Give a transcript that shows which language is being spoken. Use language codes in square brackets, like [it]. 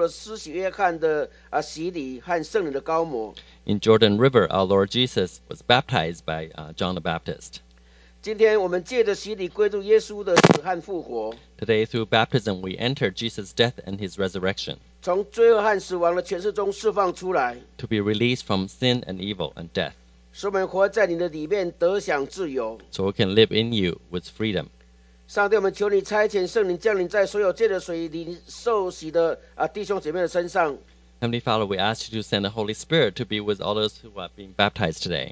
[zh] 在约旦河，我们的主耶稣受了施洗约翰的洗礼和圣灵的膏抹。 [en] In Jordan River, our Lord Jesus was baptized by John the Baptist. [zh] 今天我们借着洗礼归入耶稣的死和复活。 [en] Today, through baptism, we enter Jesus' death and His resurrection. [zh] 从罪恶和死亡的权势中释放出来。 [en] To be released from sin and evil and death. [zh] 使我们活在你的里面得享自由。 [en] So we can live in you with freedom. [zh] 上帝，我们求你差遣圣灵降临在所有借着水里受洗的弟兄姐妹的身上。 [en] Heavenly Father, we ask you to send the Holy Spirit to be with all those who are being baptized today.